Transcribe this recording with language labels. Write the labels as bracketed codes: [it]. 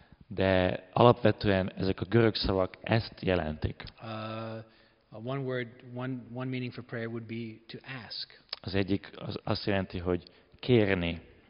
[hu] De alapvetően ezek a görög szavak ezt jelentik. [en] One meaning for prayer would be to ask. [hu] Az egyik azt jelenti, hogy kérni.